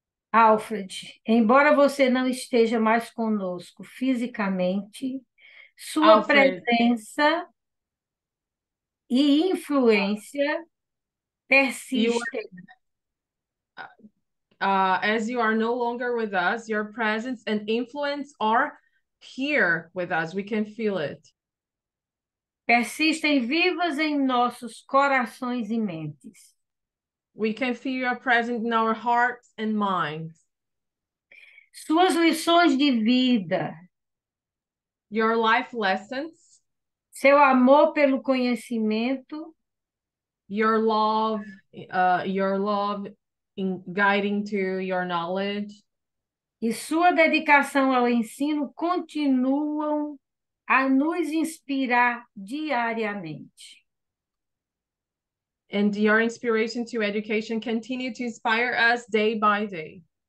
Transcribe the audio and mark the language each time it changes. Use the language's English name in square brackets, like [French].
[Portuguese] Alfred, embora você não esteja mais conosco fisicamente, sua presença e influência persistem. [English] As you are no longer with us, your presence and influence are here with us. We can feel it. [Portuguese] Persistem vivas em nossos corações e mentes. [English] We can feel your presence in our hearts and minds. [Portuguese] Suas lições de vida. [English] Your life lessons. [Portuguese] Seu amor pelo conhecimento. [English] Your love in guiding to your knowledge. [Portuguese] E sua dedicação ao ensino continuam a nos inspirar diariamente. [English] And your inspiration to education continue to inspire us day by day.